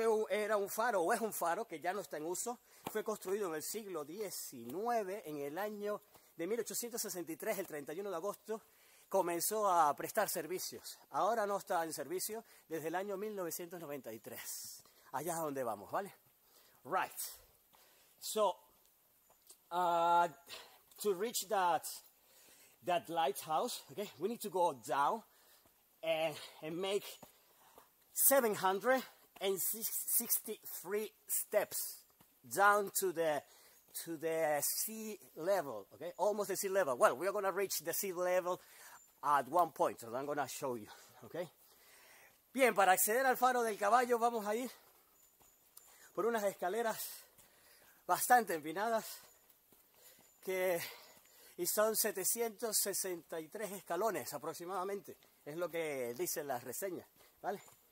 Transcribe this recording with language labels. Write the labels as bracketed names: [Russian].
[Spanish] Era un faro, o es un faro, que ya no está en uso. Fue construido en el siglo XIX, en el año de 1863, el 31 de agosto, comenzó a prestar servicios. Ahora no está en servicio desde el año 1993. Allá es donde vamos, ¿vale? [English] Right. So, to reach that lighthouse, okay, we need to go down and make 763 steps down to the sea level, okay, almost the sea level. Well, we are going to reach the sea level at one point, so I'm going to show you, okay. [Spanish] Bien, para acceder al Faro del Caballo vamos a ir por unas escaleras bastante empinadas y son 763 escalones aproximadamente, es lo que dicen las reseñas, ¿vale?